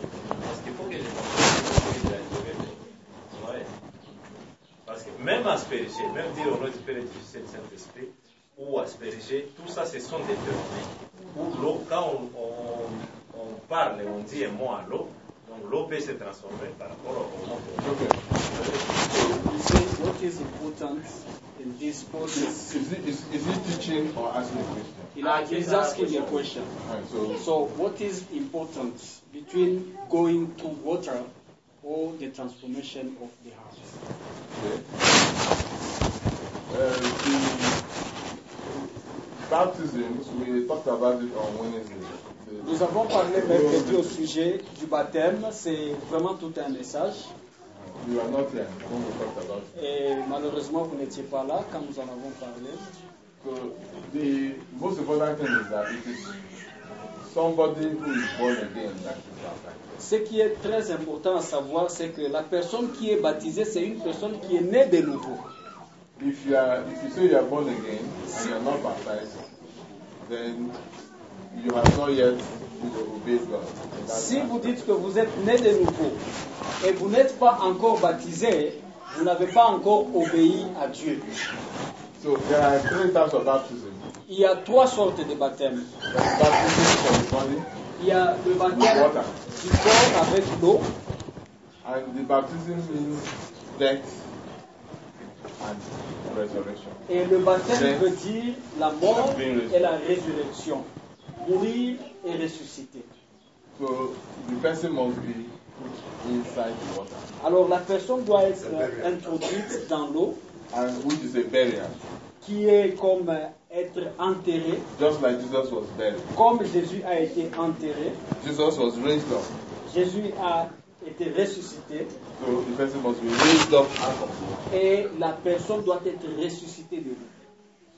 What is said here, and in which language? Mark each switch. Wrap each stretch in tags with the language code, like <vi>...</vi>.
<fr>Parce qu'il faut que je pense. Parce que même asperger, même dire au nom du Père et du Saint-Esprit, ou asperger, tout ça, ce sont des termes. Où l'eau, quand on parle et on dit un mot à l'eau, donc l'eau peut se transformer par rapport au mot. Ok.</fr> <en>You see, what is important in this process? Is it teaching or asking a question? He's asking a question. So, what is important between going to water or the transformation of the heart? Okay. Baptisms, we talked about it on Wednesday.</en> <fr>Nous avons parlé mercredi au sujet du baptême, c'est vraiment tout un message.</fr> <en>You are not there when we talked about it.</en> <fr>Et malheureusement, vous n'étiez pas là quand nous en avons parlé.</fr> <en>So the most important thing is that it is somebody who is born again that is baptized.</en> <fr>Ce qui est très important à savoir, c'est que la personne qui est baptisée, c'est une personne qui est née de nouveau.</fr> <en>If you are, if you say you are born again and you are not baptized, then you have not yet obeyed God.</en> <fr>Si vous dites que vous êtes né de nouveau et vous n'êtes pas encore baptisé, vous n'avez pas encore obéi à Dieu.</fr> <en>So there are three types of baptism.</en> <fr>Il y a trois sortes de baptême.</fr> <en>Baptism for the body.</en> <fr>Il y a le baptême du corps avec l'eau.</fr> <en>And the baptism means death and resurrection.</en> <fr>Et le baptême death veut dire la mort et la résurrection. Mourir et ressusciter.</fr> <en>So the person must be inside the water.</en> <fr>Alors la personne doit être introduite dans l'eau.</fr> <en>And which is a burial.</en> <fr>Qui est comme être enterré.</fr> <en>Just like Jesus was buried.</en> <fr>Comme Jésus a été enterré.</fr> <en>Jesus was raised up.</en> <fr>Jésus a été ressuscité.</fr> <en>So the person must be raised up out of the water.</en> <fr>Et la personne doit être ressuscitée de l'eau.</fr>